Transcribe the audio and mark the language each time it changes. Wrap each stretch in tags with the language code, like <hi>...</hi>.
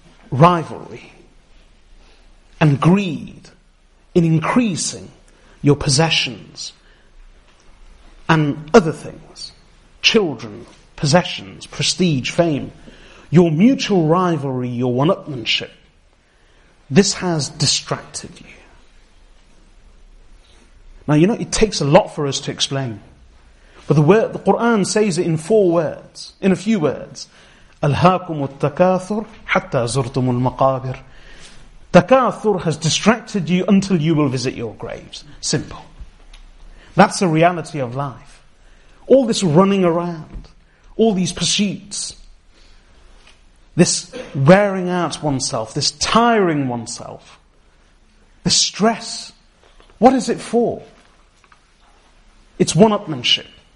<en>rivalry and greed in increasing your possessions and other things, children, possessions, prestige, fame, your mutual rivalry, your one-upmanship, this has distracted you. Now, you know, it takes a lot for us to explain. But the Quran says it in four words, in a few words.</en> <ar>أَلْهَاكُمُ التَّكَاثُرُ حَتَّى زُرْتُمُ الْمَقَابِرُ.</ar> <en>Takathur has distracted you until you will visit your graves. Simple. That's the reality of life. All this running around, all these pursuits, this wearing out oneself, this tiring oneself, the stress, what is it for? It's one-upmanship.</en>